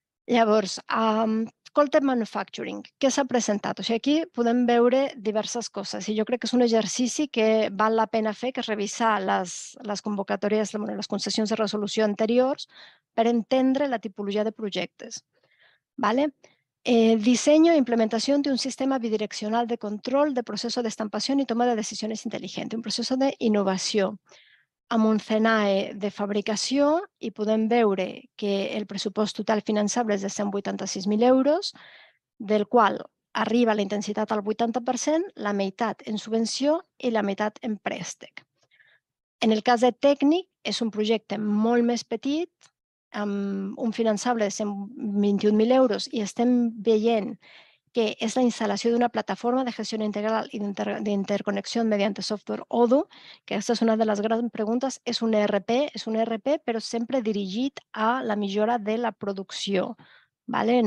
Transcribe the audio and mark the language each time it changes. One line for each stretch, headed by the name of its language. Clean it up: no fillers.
Catalan: Llavors, Coltech Manufacturing, què s'ha presentat? O sigui, aquí podem veure diverses coses i jo crec que és un exercici que val la pena fer, que és revisar les convocatòries, les concessions de resolució anteriors per entendre la tipologia de projectes. Vale?
Spanish: Diseño e implementación de un sistema bidireccional de control de proceso de estampación y toma de decisiones inteligente, un proceso de innovación.
Catalan: Amb un CNAE de fabricació i podem veure que el pressupost total finançable és de 186.000 euros, del qual arriba la intensitat al 80%, la meitat en subvenció i la meitat en préstec. En el cas de tècnic, és un projecte molt més petit, amb un finançable de 121.000 euros i estem veient que és la instal·lació d'una plataforma de gestió integral i d'interconnexió mediante software Odoo, que aquesta és una de les grans preguntes, és un ERP, però sempre dirigit a la millora de la producció, ¿vale?